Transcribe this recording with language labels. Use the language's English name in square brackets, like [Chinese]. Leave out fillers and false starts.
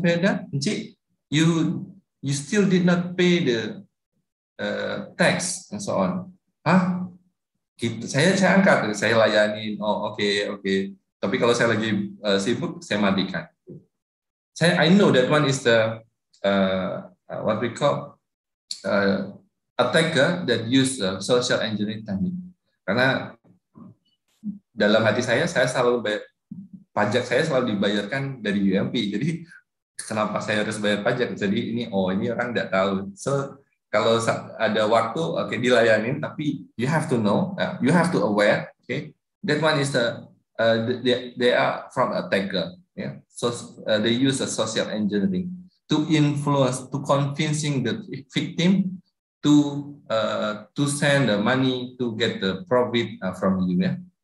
[English] Feda, Encik, you still did not pay the tax and so on. [Indonesian] Hah? Saya angkat, saya layanin. Oh okay. Tapi kalau saya lagi sibuk, saya matikan. [English] I know that one is the what we call attacker that use social engineering technique. [Indonesian] Karena dalam hati saya selalu pajak saya selalu dibayarkan dari UMP. Jadi kenapa saya harus bayar pajak? Jadi ini ini orang enggak tahu. [English] So [Indonesian] kalau ada waktu dilayanin, tapi [English] you have to know, you have to aware, okay? That one is they are from attacker, yeah. So they use a social engineering to influence, to convincing the victim to send the money to get the profit from you, yeah.